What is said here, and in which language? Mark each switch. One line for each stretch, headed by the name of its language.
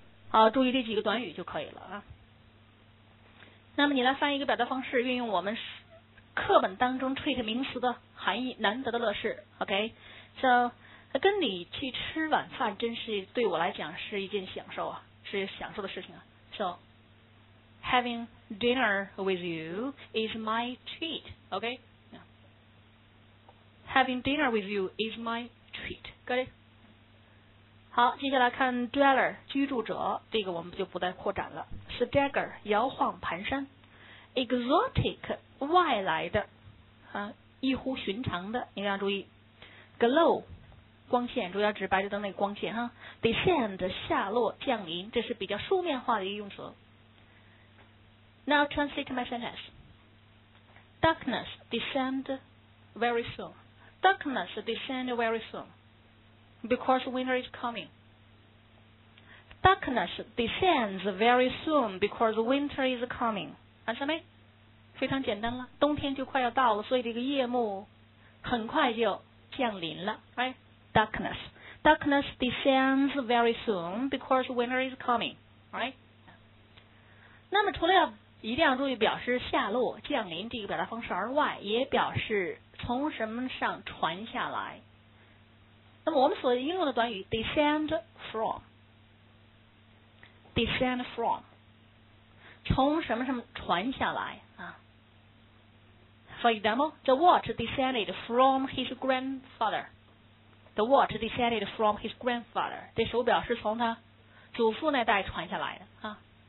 Chinese: 好，注意这几个短语就可以了啊。那么你来翻译一个表达方式，运用我们课本当中 treat 名词的含义，难得的乐事。
English: OK， so
Chinese: 跟你去吃晚饭，真是对我来讲是一件享受啊，是享受的事情啊。
English: So, having dinner with you is my treat. Okay?、Yeah. Having dinner with you is my treat. Got it?
Chinese: 好，接下来看 dweller 居住者，这个我们就不再扩展了。 Stagger 摇晃蹒跚。Exotic 外来的，啊，异乎寻常的，你要注意。 Glow 光线，主要指白炽灯那个光线哈。Descend 下落降临，这是比较书面化的一个用词。
English: Now translate my sentence. Darkness descend very soon. Darkness descend very soon because winter is coming. Darkness descends very soon because winter is coming.
Chinese: 啊，什么？非常简单了，冬天就快要到了，所以这个夜幕很快就降临了，
English: right? Darkness. Darkness descends very soon because winter is coming, right?
Chinese: 那么除了要一定要注意表示下落降临这个表达方式而外，也表示从什么上传下来。那么我们所应用的短语 descend from 从什么什么传下来啊。
English: For example, the watch descended from his grandfather. The watch descended from his grandfather.
Chinese: 这手表是从他祖父那代传下来的啊。